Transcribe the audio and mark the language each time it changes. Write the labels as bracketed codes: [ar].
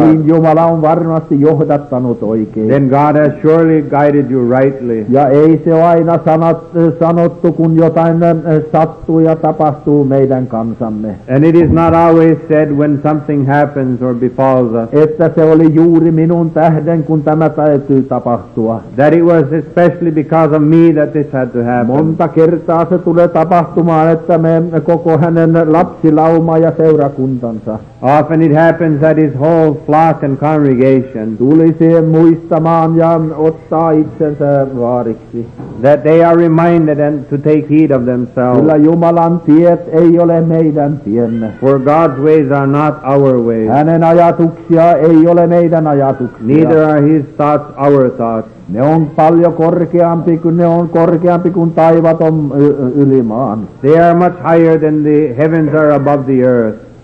[fi] Niin Jumala on varmasti johdattanut oikein. [en] Then God has surely guided you rightly. [fi] Ja ei se ole aina sanottu, kun jotain sattuu ja tapahtuu meidän kansamme. [en] And it is not always said when something happens or befalls us. [fi] Että se oli juuri minun tähden, kun tämä täytyy tapahtua. [en] That it was especially because of me that that this had to happen. [fi] Monta kertaa se tulee tapahtumaan, että me koko hänen lapsilauma ja seurakuntansa. [en] Often it happens that his whole flock and congregation [fi] tulisi muistamaan ja ottaa itsensä vaariksi. [en] That they are reminded and to take heed of themselves. [fi] Kyllä Jumalan tiet ei ole meidän tiemme. [en] For God's ways are not our ways. [fi] Hänen ajatuksia ei ole meidän ajatuksia. [en] Neither are his thoughts our thoughts. [fi] Ne on paljon korkeampi kuin ne on korkeampi kuin taivaat on ylimaan. [en] They are much higher than the heavens are above the earth.